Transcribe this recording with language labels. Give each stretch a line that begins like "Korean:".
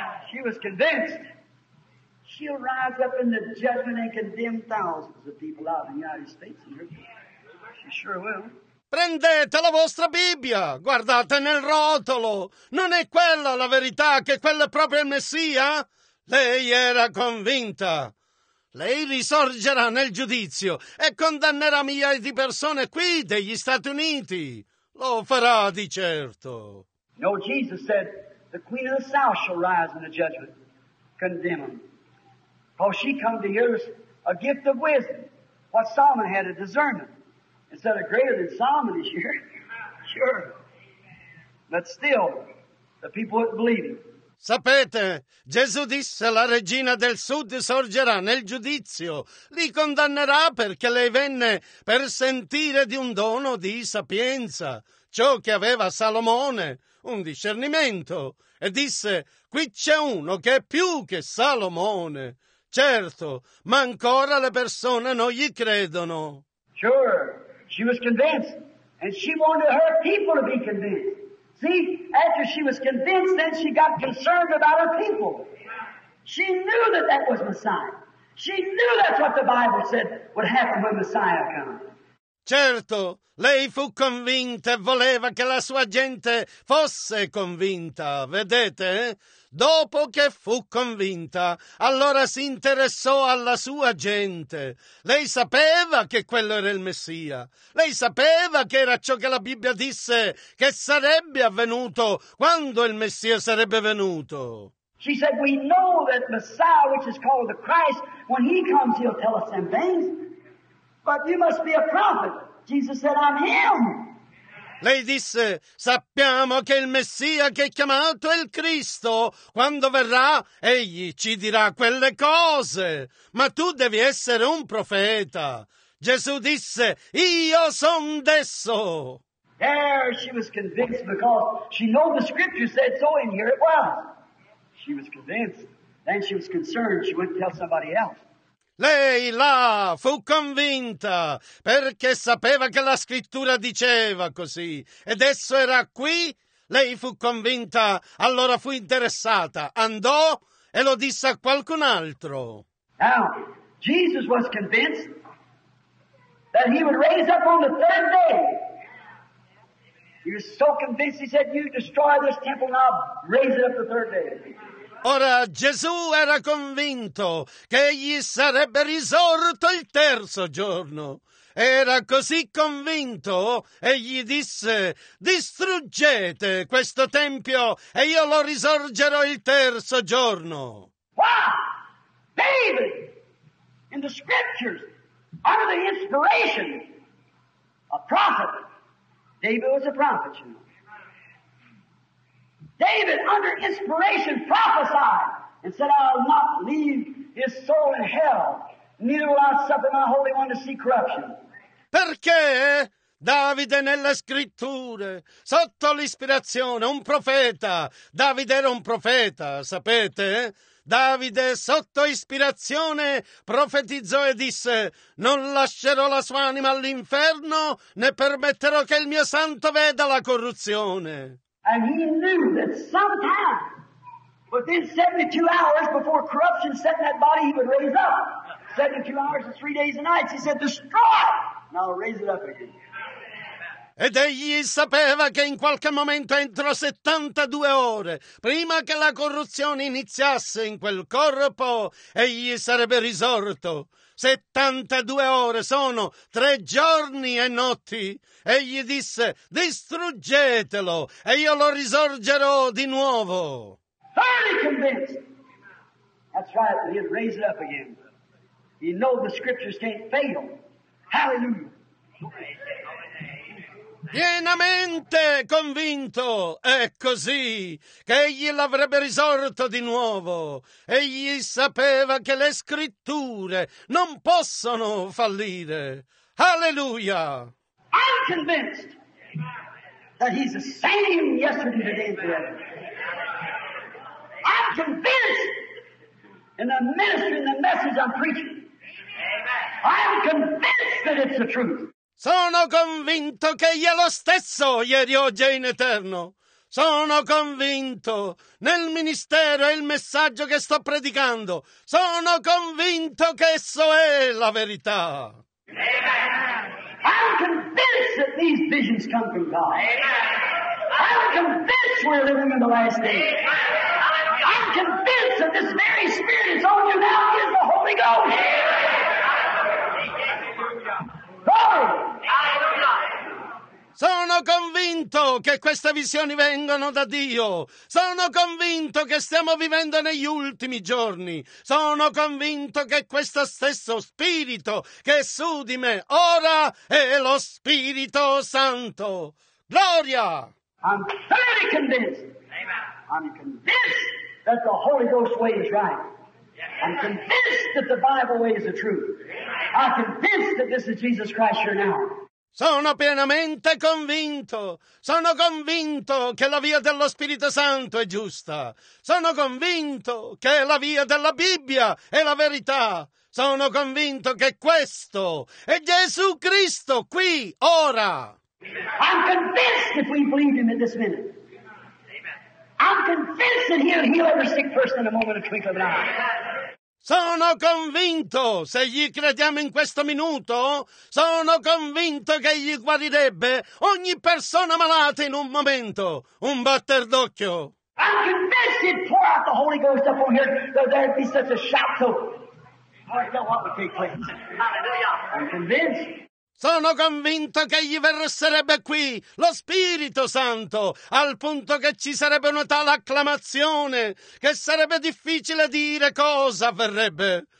English: She was convinced. She'll rise up in the judgment and condemn thousands of people out of the United States. She sure will.
Italian: Prendete la vostra Bibbia, guardate nel rotolo. Non è quella la verità, che quella è proprio il Messia? Lei era convinta. Lei risorgerà nel giudizio e condannerà migliaia di persone qui degli Stati Uniti. Lo farà di certo.
English: No, Jesus said, the Queen of the South shall rise in the judgment, condemn them. For she come to hear a gift of wisdom, what Solomon had a discernment. Instead of greater than Solomon is here. Sure. But still, the people wouldn't believe him.
Italian: Sapete, Gesù disse, la regina del sud sorgerà nel giudizio, li condannerà perché lei venne per sentire di un dono di sapienza, ciò che aveva Salomone, un discernimento, e disse, qui c'è uno che è più che Salomone. Certo, ma ancora le persone non gli credono.
English: Sure, she was convinced, and she wanted her people to be convinced. See, after she was convinced, then she got concerned about her people. She knew that that was Messiah. She knew that's what the Bible said would happen when Messiah came.
Italian: Certo, lei fu convinta e voleva che la sua gente fosse convinta, vedete? Dopo che fu convinta, allora si interessò alla sua gente. Lei sapeva che quello era il Messia. Lei sapeva che era ciò che la Bibbia disse che sarebbe avvenuto quando il Messia sarebbe venuto.
English: She said, we know that Messiah, which is called the Christ, when he comes, he'll tell us some things. But you must be a prophet. Jesus said, I'm him.
Italian: Lei disse, sappiamo che il Messia che è chiamato è il Cristo. Quando verrà, egli ci dirà quelle cose. Ma tu devi essere un profeta. Gesù disse, io son desso.
English: There she was convinced because she knew the scripture said so and here it was. She was convinced. Then she was concerned. She went to tell somebody else.
Italian: Lei là fu convinta perché sapeva che la scrittura diceva così ed esso era qui. Lei fu convinta, allora fu interessata, andò e lo disse a qualcun altro.
English: Now, Jesus was convinced that he would raise up on the third day. He was so convinced, he said, you destroy this temple now, raise it up the third day.
Italian: Ora Gesù era convinto che egli sarebbe risorto il terzo giorno. Era così convinto e gli disse, distruggete questo tempio e io lo risorgerò il terzo giorno.
English: Wow! David, in the scriptures, under the inspiration, a prophet. David was a prophet, you know. David, under inspiration, prophesied and said, I will not leave his soul in hell, neither will I suffer my Holy One to see corruption.
Italian: Perché Davide nelle scritture, sotto l'ispirazione, un profeta. Davide era un profeta, sapete? Davide, sotto ispirazione, profetizzò e disse, non lascerò la sua anima all'inferno, né permetterò che il mio santo veda la corruzione.
English: And he knew that sometime, within 72 hours before corruption set in that body, he would raise up. 72 hours and 3 days and nights. He said, destroy it, and I'll raise it up again.
Italian: Ed egli sapeva che in qualche momento entro 72 ore, prima che la corruzione iniziasse in quel corpo, egli sarebbe risorto. 72 ore sono 3 giorni e notti. Egli disse, distruggetelo e io lo risorgerò di nuovo.
English: Finally convinced. That's right, he'd raise it up again. You know the scriptures can't fail. Hallelujah.
Italian: Pienamente convinto, è così, che egli l'avrebbe risorto di nuovo. Egli sapeva che le scritture non possono fallire. Alleluia!
English: I'm convinced that he's the same yesterday, today, forever. I'm convinced in the ministry and the message I'm preaching. I'm convinced that it's the truth.
Italian: Sono convinto che egli è lo stesso ieri, oggi e in eterno. Sono convinto nel ministero e il messaggio che sto predicando. Sono convinto che esso è la verità. Amen.
English: I'm convinced that these visions come from God. Amen. I'm convinced we're living in the last days. I'm convinced that this very spirit is on you now and is the Holy Ghost. Amen.
Italian: Sono convinto che queste visioni vengono da Dio. Sono convinto che stiamo vivendo negli ultimi giorni. Sono convinto che questo stesso Spirito che è su di me ora è lo Spirito Santo. Gloria!
English: I'm totally convinced. I'm convinced that the Holy Ghost way is right. I'm convinced that the Bible way is the truth. I'm convinced that this is Jesus Christ here now.
Italian: Sono pienamente convinto. Sono convinto che la via dello Spirito Santo è giusta. Sono convinto che la via della Bibbia è la verità. Sono convinto che questo è Gesù Cristo qui, ora.
English: I'm convinced if we believe him in this minute. I'm convinced that he'll heal every sick person in a moment, a twinkle of an eye.
Italian: Sono convinto, se gli crediamo in questo minuto, sono convinto che gli guarirebbe ogni persona malata in un momento, un batter d'occhio.
English: I'm convinced he'd pour out the Holy Ghost up on here, though there'd be such a shout, so... Hallelujah. I'm convinced.
Italian: Sono convinto che gli verserebbe qui lo Spirito Santo, al punto che ci sarebbe una tale acclamazione che sarebbe difficile dire cosa avverrebbe.